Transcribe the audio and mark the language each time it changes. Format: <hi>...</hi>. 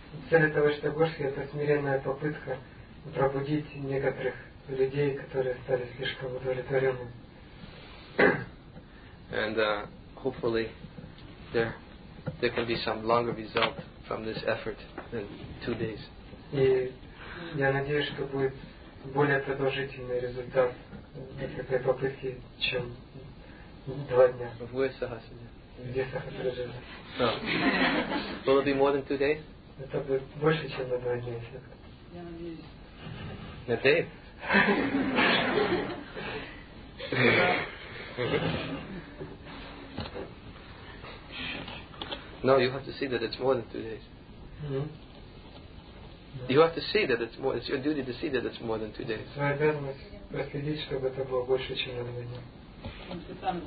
<ru>Цель этого Иштагошки — это смиренная попытка пробудить некоторых людей, которые стали слишком удовлетворенными.</ru> <en>And hopefully there can be some longer result from this effort than 2 days.</en> <ru>И я надеюсь, что будет более продолжительный результат этой попытки, чем 2 дня. В Уэсахасане.</ru> <en>Oh. Will it be more than 2 days?</en> <ru>Я надеюсь.</ru> <en>The day? No, you have to see that it's more than 2 days. Mm-hmm. You have to see that it's more. It's your duty to see that it's more than 2 days.</en> <ru>Твоя обязанность проследить, чтобы это было больше, чем 2 дня.</ru>